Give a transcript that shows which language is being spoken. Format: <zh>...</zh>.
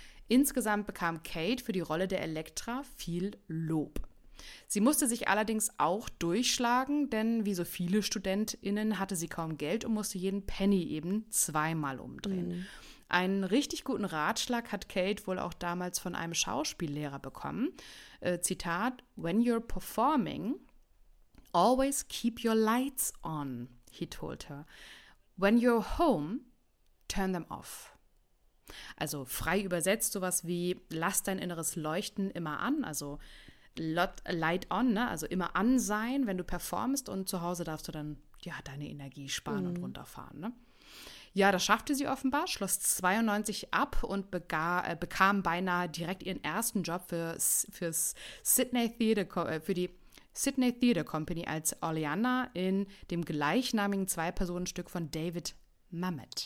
<de>Insgesamt bekam Kate für die Rolle der Elektra viel Lob. Sie musste sich allerdings auch durchschlagen, denn wie so viele StudentInnen hatte sie kaum Geld und musste jeden Penny eben zweimal umdrehen. Mhm. Einen richtig guten Ratschlag hat Kate wohl auch damals von einem Schauspiellehrer bekommen. Zitat,</de> <en>"When you're performing, always keep your lights on," he told her. "When you're home, turn them off."</en> <de>Also frei übersetzt sowas wie, lass dein inneres Leuchten immer an, also</de> <en>light on,</en> <de>ne? Also immer an sein, wenn du performst, und zu Hause darfst du dann ja deine Energie sparen und runterfahren. Ne? Ja, das schaffte sie offenbar, schloss 92 ab und bekam beinahe direkt ihren ersten Job fürs Sydney Theatre, für die Sydney Theatre Company als Oleana in dem gleichnamigen Zwei-Personen-Stück von David Mamet.</de>